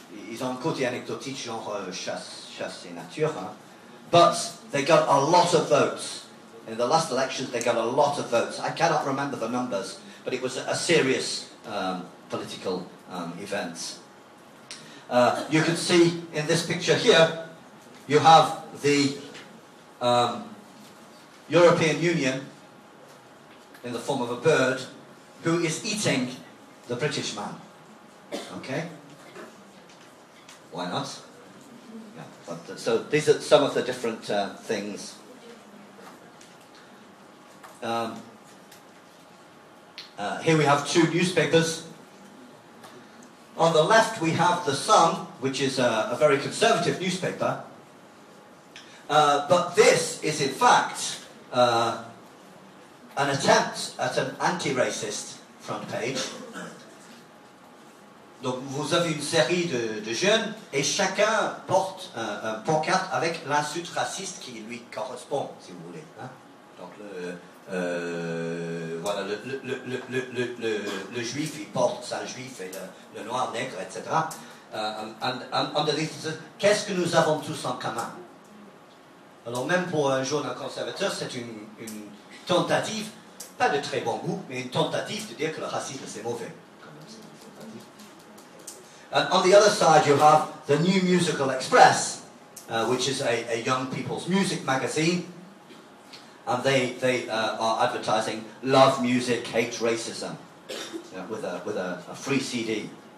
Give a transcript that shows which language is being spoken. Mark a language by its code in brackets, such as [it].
[fr] Ils ont un côté anecdotique, genre chasse nature, hein? [en] But they got a lot of votes. In the last elections, they got a lot of votes. I cannot remember the numbers, but it was a serious political event. You can see in this picture here, you have the European Union in the form of a bird who is eating the British man. Okay? Why not? So these are some of the different things. Here we have two newspapers. On the left we have The Sun, which is a very conservative newspaper. But this is in fact an attempt at an anti-racist front page. [fr] Donc vous avez une série de jeunes et chacun porte un pancarte avec l'insulte raciste qui lui correspond, si vous voulez. Hein? Donc le juif il porte sa juif et le noir nègre etc. And qu'est-ce que nous avons tous en commun? Alors même pour un jeune conservateur, c'est une tentative, pas de très bon goût, mais une tentative de dire que le racisme c'est mauvais. [en] And on the other side, you have the New Musical Express, which is a young people's music magazine. And they are advertising love music, hate racism, with a free CD.